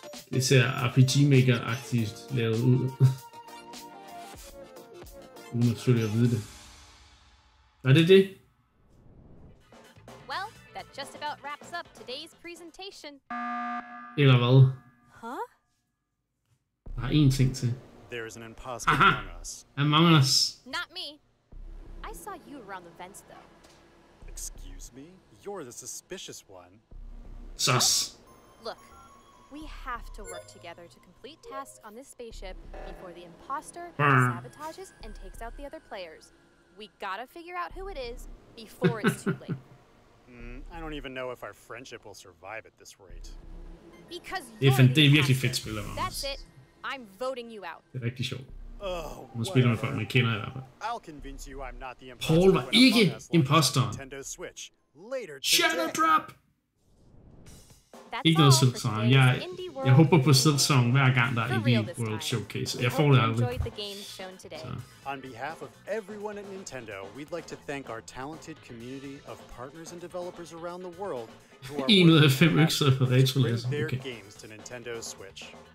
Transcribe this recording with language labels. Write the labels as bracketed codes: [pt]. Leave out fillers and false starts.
[da] især RPG Maker-agtigt lavet ud. Uden at selvfølgelig at vide det. Er det det? [en] Well, that just about wraps up today's presentation. [da] Eller hvad? Huh? Der er én ting til. [en] There is an imposter among us. Among us. Not me. I saw you around the vents though. Excuse me? You're the suspicious one. Sus. Look, we have to work together to complete tasks on this spaceship before the imposter sabotages and takes out the other players. We gotta figure out who it is before it's too late. I don't even know if our friendship will survive at this rate. Because you're the imposter. That's it. I'm voting you out. [da] Det er rigtig sjovt. Oh, nu spiller man folk, man kender i hvert fald. [en] I'll convince you I'm not the imposter. [da] Paul var ikke imposteren. [en] Shadow [da] drop! Ikke noget Silksong. Jeg håber på Silksong hver gang der er Indie World Showcase. Jeg får det aldrig. [en] On behalf of everyone at Nintendo, we'd like to thank our talented community of partners and developers around the world who are working to bring their games to Nintendo Switch.